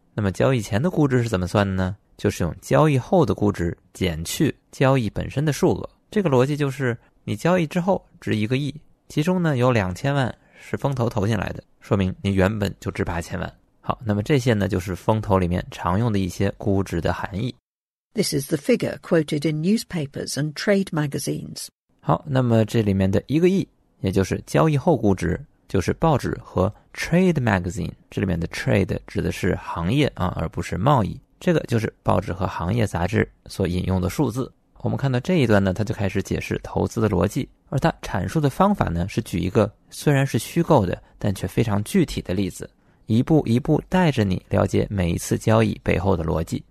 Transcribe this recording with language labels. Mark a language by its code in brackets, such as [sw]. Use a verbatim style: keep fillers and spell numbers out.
[zh] 那么交易前的估值是怎么算的呢？就是用交易后的估值减去交易本身的数额。这个逻辑就是你交易之后值一个亿，其中呢有两千万是风投投进来的，说明你原本就值八千万。好，那么这些呢就是风投里面常用的一些估值的含义。 [en] This is the figure quoted in newspapers and trade magazines. [zh] 好，那么这里面的一个亿，也就是交易后估值，就是报纸和 trade magazine， 这里面的 trade 指的是行业啊，而不是贸易。这个就是报纸和行业杂志所引用的数字。我们看到这一段呢，他就开始解释投资的逻辑，而他阐述的方法呢，是举一个虽然是虚构的，但却非常具体的例子，一步一步带着你了解每一次交易背后的逻辑。